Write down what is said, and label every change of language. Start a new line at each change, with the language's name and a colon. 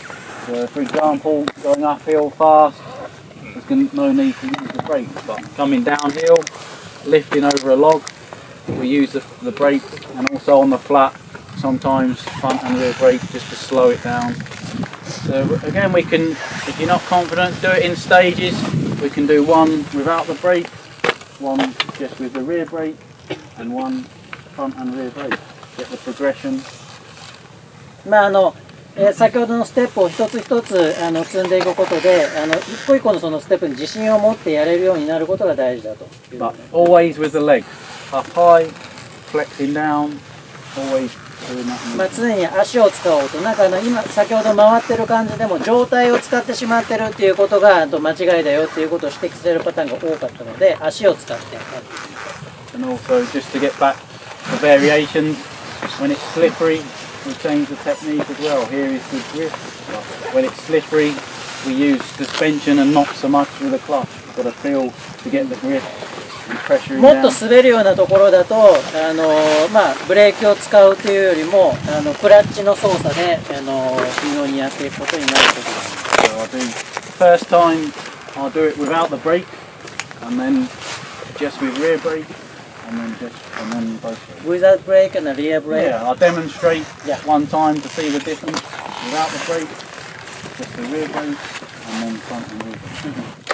English: So for example, going uphill fast, there's no need to use the brake, but coming downhill, lifting over a log, we use the brake, and also on the flat, sometimes front and rear brake just to slow it down. So again, we can, if you're not confident, do it in stages. We can do one without the brake, one just with the rear brake, and one front and rear brake. Get the progression. Man up!
Japanese: 先ほどのステップを一つ一つ積んでいくことで、一個一個のそのステップに自信を持ってやれるようになることが大事だと。
English: But always with the leg up high, flexing down, always doing that.
Japanese: まあ常に足を使おうと、なんか今先ほど回ってる感じでも上体を使ってしまってるっていうことが間違いだよっていうことを指摘されるパターンが多かったので、足を使って。
English: And also just to get back the variations when it's slippery. We change the technique as well. Here is the grip. When it's slippery, we use suspension and not so much with a clutch. Got a feel to get the grip and pressure down.
Japanese: もっと滑るようなところだと、まあ、ブレーキを使うというよりも、クラッチの操作で、非常にやっていくことになると思います。
English: First time, I'll do it without the brake, and then just with rear brake. And then both. Without brake and a rear brake? Yeah, I'll demonstrate one time to see the difference. Without the brake, just the rear brake, and then front and rear brake.